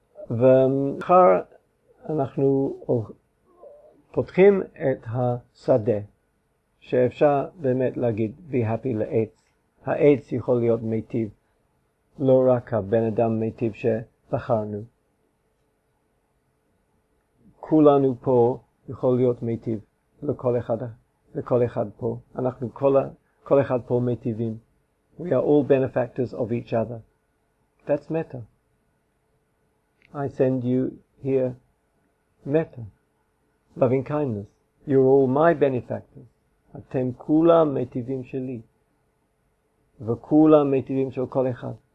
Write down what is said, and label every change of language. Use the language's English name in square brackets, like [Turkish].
[Hebrew] ומחר אנחנו פותחים את השדה שאפשר באמת להגיד [English] be happy [Hebrew] לעץ. העץ יכול להיות מיטיב, לא רק הבן אדם מיטיב שבחרנו. כולנו פה יכול להיות מיטיב לכל אחד פה. אנחנו כל אחד פה מיטיבים. [English] We are all benefactors of each other. That's metta. I send you here metta, loving kindness. You're all my benefactors. [Hebrew] אתם כולם מיטיבים שלי, וכולם מיטיבים של כל אחד.